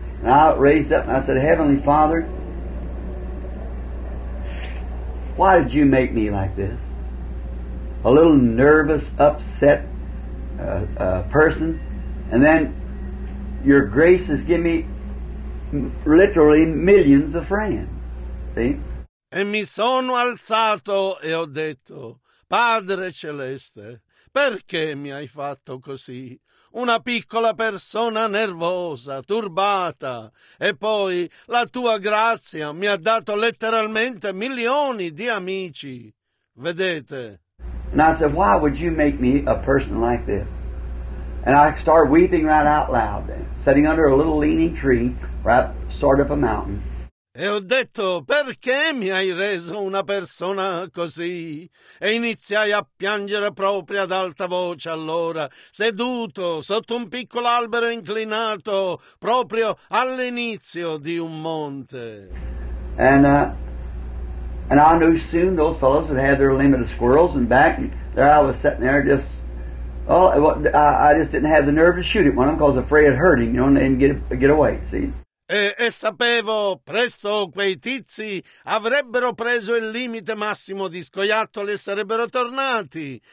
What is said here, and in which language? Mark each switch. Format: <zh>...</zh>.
<en>And I raised up and I said, Heavenly Father, why did you make me like this? A little nervous, upset person, and then Your grace has given me literally millions of friends. See?</en> <it>E mi sono alzato e ho detto, Padre Celeste, perché mi hai fatto così? Una piccola persona nervosa, turbata. E poi la tua grazia mi ha dato letteralmente milioni di amici. Vedete?</it> <en>And I said, why would you make me a person like this? And I start weeping right out loud then, sitting under a little leaning tree, right sort of a mountain.</en> <it>E ho detto, perché mi hai reso una persona così? E iniziai a piangere proprio ad alta voce allora, seduto sotto un piccolo albero inclinato, proprio all'inizio di un monte.</it> <en>And I knew soon those fellows had had their limit of squirrels and back, and there I was sitting there just, Well, I just didn't have the nerve to shoot at one of them because I was afraid it hurt him, you know, and they didn't get away, see?</en> <it>E sapevo presto quei tizi avrebbero preso il limite massimo di scoiattoli e sarebbero tornati.</it>